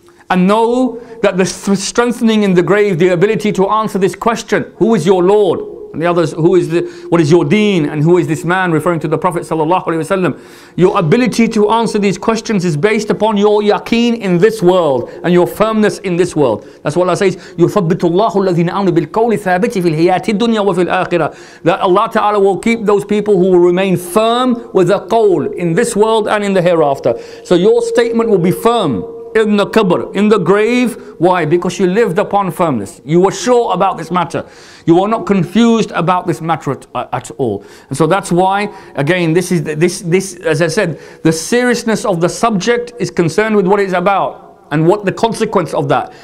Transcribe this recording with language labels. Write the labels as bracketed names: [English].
[English] And know that the strengthening in the grave, the ability to answer this question, who is your Lord? And the others, who is the, what is your deen? And who is this man? Referring to the Prophet sallallahu alaihi wasallam. Your ability to answer these questions is based upon your yaqeen in this world and your firmness in this world. That's what Allah says, [Arabic] يُثَبِّتُ اللَّهُ الَّذِينَ آمَنُوا بِالْقَوْلِ ثَابِتِ فِي الْحَيَاةِ الدُّنْيَا وَفِي الْآخِرَةِ. [English] That Allah Ta'ala will keep those people who will remain firm with a qawl in this world and in the hereafter. So your statement will be firm in the qabr, in the grave. Why? Because you lived upon firmness. You were sure about this matter. You were not confused about this matter at all. And so that's why, again, this is, as I said, the seriousness of the subject is concerned with what it's about and what the consequence of that.